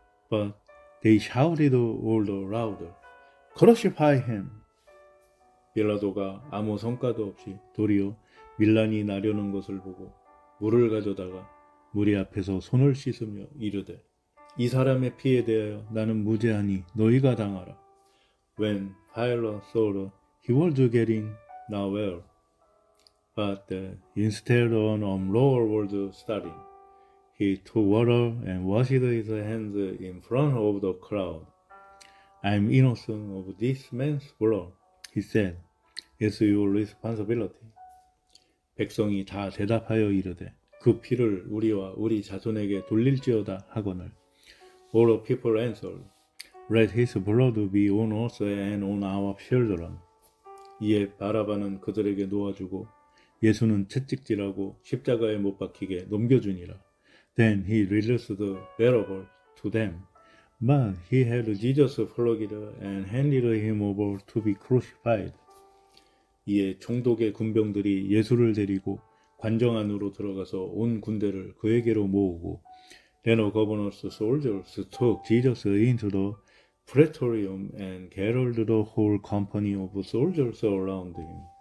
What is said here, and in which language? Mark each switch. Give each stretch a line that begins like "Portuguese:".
English: But they shouted all the louder, Crucify him!
Korean: 빌라도가 아무 성과도 없이 도리어 밀란이 나려는 것을 보고 물을 가져다가 무리 앞에서 손을 씻으며 이르되, 이 사람의 피에 대하여 나는 무죄하니 너희가 당하라.
English: When Pilate saw that he was getting nowhere, but instead of an uproar was starting, he took water and washed his hands in front of the crowd. I am innocent of this man's blood, he said. It's your responsibility.
Korean: 백성이 다 대답하여 이르되, 그 피를 우리와 우리 자손에게 돌릴지어다 하거늘.
English: All the people answered, Let his blood be on us and on our children.
Korean: 이에 바라바는 그들에게 놓아주고 예수는 채찍질하고 십자가에 못 박히게 넘겨주니라.
English: Then he released Barabbas to them. But he had Jesus flogged and handed him over to be crucified.
Korean: 이에 총독의 군병들이 예수를 데리고 관정 안으로 들어가서 온 군대를 그에게로 모으고,
English: Then the governor's soldiers took Jesus into the praetorium and gathered the whole company of soldiers around him.